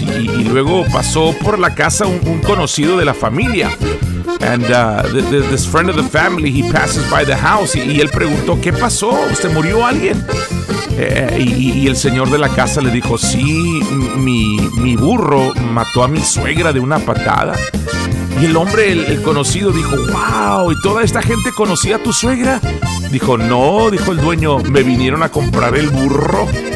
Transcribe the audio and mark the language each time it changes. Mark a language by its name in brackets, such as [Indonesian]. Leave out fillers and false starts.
[Spanish] Y luego pasó por la casa un conocido de la familia. [English] And this friend of the family, he passes by the house. [Spanish] Y él preguntó, ¿qué pasó? ¿Usted murió alguien? Y el señor de la casa le dijo, sí, mi burro mató a mi suegra de una patada. Y el hombre, el conocido, dijo, wow, ¿y toda esta gente conocía a tu suegra? Dijo, no, dijo el dueño, me vinieron a comprar el burro.